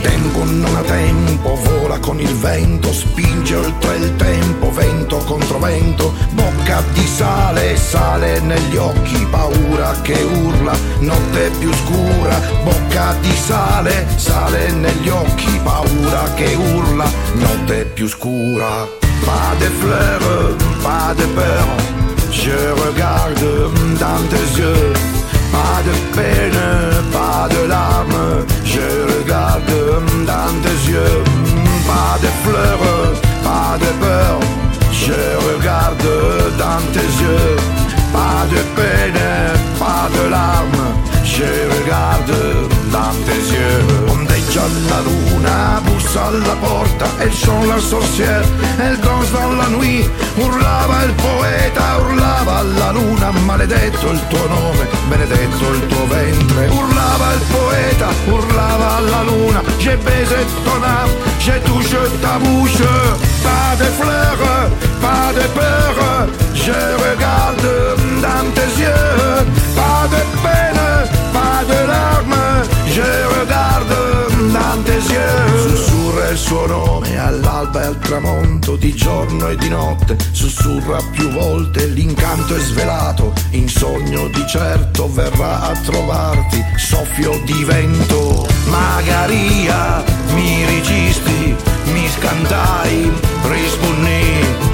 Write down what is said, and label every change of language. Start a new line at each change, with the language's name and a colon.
Italian: Tempo non ha tempo, vola con il vento, spinge oltre il tempo, vento contro vento, bocca di sale, sale negli occhi, paura che urla, notte più scura, bocca di sale, sale negli occhi, paura che urla, notte più scura.
French: Pas de fleurs, pas de peur, je regarde dans tes yeux. Pas de peine, pas de larmes, je regarde dans tes yeux. Pas de fleurs, pas de peur, je regarde dans tes yeux. Pas de peine, pas de larmes, je regarde dans tes yeux.
Italian: Ondeggia la luna, bussa alla porta,
French: el son la sorcière, el danse dans la nuit.
Italian: Urlava il poeta, urlava la luna, maledetto il tuo nome, benedetto il tuo ventre. Urlava il poeta, urlava la luna,
French: je baise ton âme, je touche ta bouche. Pas de fleurs, pas de peur, je regarde dans tes yeux. Pas de peine, pas de larmes, je regarde dans tes yeux.
Italian: Il suo nome all'alba e al tramonto, di giorno e di notte, sussurra più volte, l'incanto è svelato, in sogno di certo verrà a trovarti, soffio di vento.
Sicilian: Magaria, mi ricisti, mi scantai, rispugni.